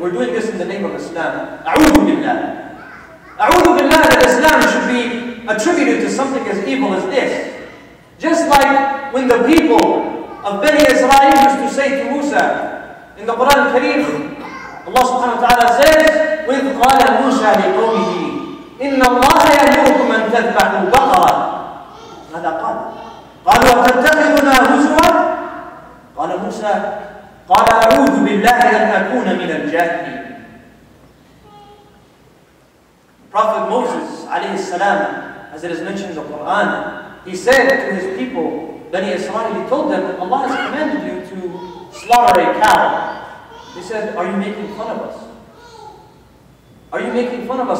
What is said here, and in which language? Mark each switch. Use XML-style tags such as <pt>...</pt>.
<en>We're doing this in the name of Islam. A'udhu billah. A'udhu billah that Islam should be attributed to something as evil as this. Just like when the people of Bani Israel used to say to Musa, in the Quran al-Kareem, Allah subhanahu wa ta'ala says,</en> <ar>وَإِذْ قَالَ مُوسَى لِقَوْمِهِ إِنَّ اللَّهَ يَأْمُرُكُمْ أَن تَذْبَحُوا بَقَرًا. ماذا قال؟ قالوا أتتخذنا هزوا؟ قال موسى قال أعوذ بالله أن أكون من الجاهلين.</ar> <en>Prophet Moses عليه السلام, as it is mentioned in the Quran, he said to his people, Bani Israel, he told them, Allah has commanded you to slaughter a cow. He said, are you making fun of us? Are you making fun of us?</en>